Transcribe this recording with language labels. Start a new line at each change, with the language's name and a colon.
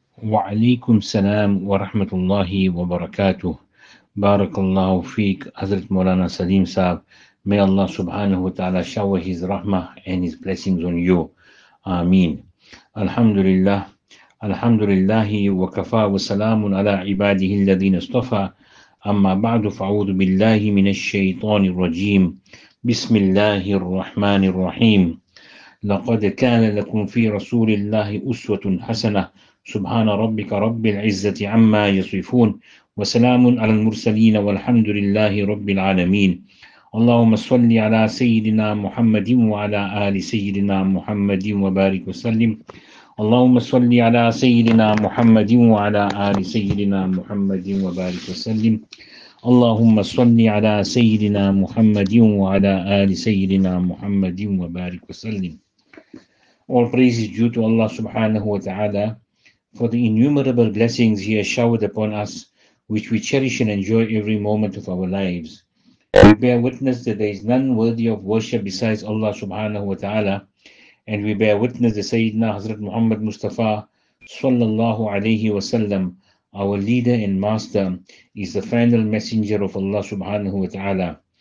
Arabic: وعليكم السلام ورحمة الله وبركاته. بارك الله فيك حضرة مولانا سليم صاحب.
English: May Allah subhanahu wa ta'ala shower his rahmah and his blessings on you.
Arabic: Ameen. Alhamdulillah. Alhamdulillah wa kafa wa salamun ala ibadihi alladhin astafa. Amma ba'du fa'udhu billahi minash shaytanir rajim. Bismillahir rahmanir rahim. لقد كان لكم في رسول الله أسوة حسنة سبحان ربك رب العزة عما يصفون وسلام على المرسلين والحمد لله رب العالمين اللهم صل على سيدنا محمد وعلى آل سيدنا محمد وبارك وسلم اللهم صل على سيدنا محمد وعلى آل سيدنا محمد وبارك وسلم اللهم صل على سيدنا محمد وعلى آل سيدنا محمد وبارك وسلم.
English: All praise is due to Allah subhanahu wa ta'ala for the innumerable blessings He has showered upon us, which we cherish and enjoy every moment of our lives. We bear witness that there is none worthy of worship besides Allah subhanahu wa ta'ala, and we bear witness that Sayyidina Hazrat Muhammad Mustafa sallallahu alayhi wa sallam, our leader and master, is the final messenger of Allah subhanahu wa ta'ala.